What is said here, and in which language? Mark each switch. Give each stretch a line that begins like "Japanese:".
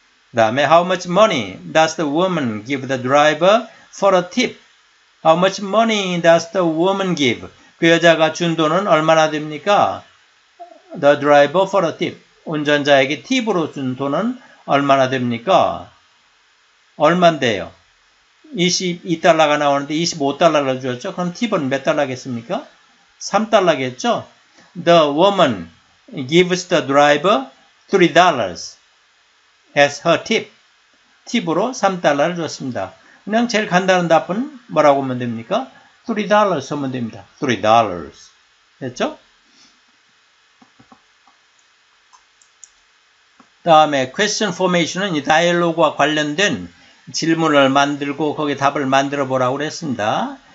Korean: 그다음에
English: how much money does the woman give the driver for a tip? How much money does the woman give?
Korean: 그 여자가 준 돈은 얼마나 됩니까?
English: The driver for a tip.
Korean: 운전자에게 팁으로 준 돈은 얼마나 됩니까? 얼만데요? 22달러가 나오는데 25달러를 주었죠? 그럼 팁은 몇 달러겠습니까? 3달러겠죠?
English: The woman gives the driver $3 as her tip.
Korean: 팁으로 3달러를 줬습니다. 그냥 제일 간단한 답은 뭐라고 하면 됩니까? $3 하면 됩니다. $3. 됐죠? 다음에 question formation은 이 다이얼로그와 관련된 질문을 만들고 거기 답을 만들어 보라고 그랬습니다.